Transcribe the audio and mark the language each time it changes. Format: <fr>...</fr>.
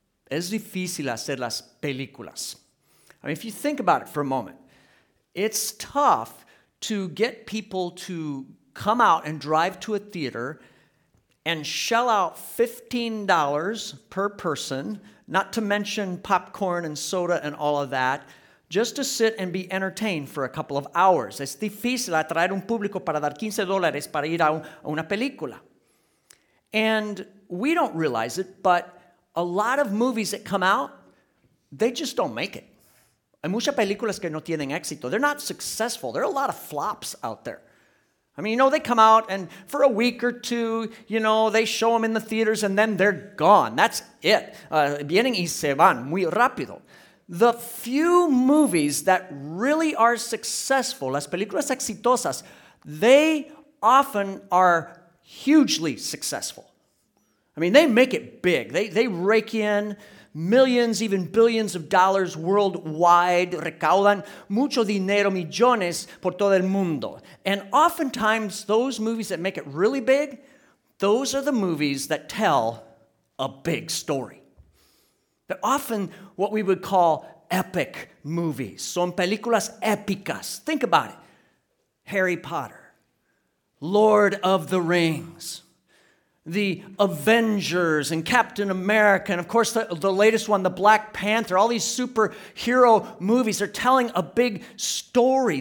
<es>Es difícil hacer las películas.</es> <en>I mean, if you think about it for a moment, it's tough to get people to come out and drive to a theater and shell out $15 per person, not to mention popcorn and soda and all of that, just to sit and be entertained for a couple of hours.</en> <es>Es difícil atraer un público para dar $15 para ir a una película.</es> <en>And we don't realize it, but a lot of movies that come out, they just don't make it.</en> <es>Hay muchas películas que no tienen éxito.</es> <en>They're not successful. There are a lot of flops out there. I mean, you know, they come out and for a week or two, you know, they show them in the theaters and then they're gone. That's it.</en> <es>Vienen y se van muy rápido.</es> <en>The few movies that really are successful,</en> <es>las películas exitosas,</es> <en>they often are hugely successful. I mean, they make it big. They rake in millions, even billions of dollars worldwide.</en> <es>Recaudan mucho dinero, millones, por todo el mundo.</es> <en>And oftentimes, those movies that make it really big, those are the movies that tell a big story. They're often what we would call epic movies.</en> <es>Son películas épicas.</es> <en>Think about it. Harry Potter, Lord of the Rings, the Avengers and Captain America, and of course the latest one, the Black Panther, all these superhero movies are telling a big story.</en>